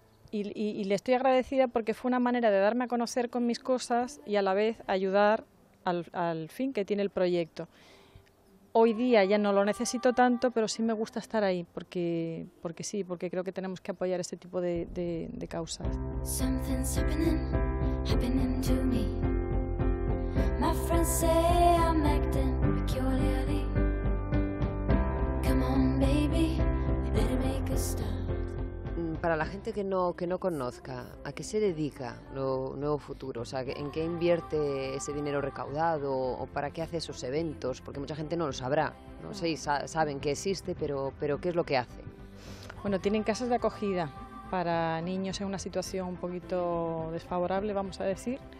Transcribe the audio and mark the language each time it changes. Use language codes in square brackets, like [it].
[es] Y le estoy agradecida porque fue una manera de darme a conocer con mis cosas y a la vez ayudar al fin que tiene el proyecto. Hoy día ya no lo necesito tanto, pero sí me gusta estar ahí porque sí, porque creo que tenemos que apoyar este tipo de causas. [en] Something's happening to me. My friends say I'm acting peculiarly. Come on, baby, we better make a start. [es] Para la gente que no conozca, ¿a qué se dedica Nuevo Futuro? O sea, ¿en qué invierte ese dinero recaudado? ¿O para qué hace esos eventos? Porque mucha gente no lo sabrá. No sé, saben que existe, pero ¿qué es lo que hace? Bueno, tienen casas de acogida para niños en una situación un poquito desfavorable, vamos a decir.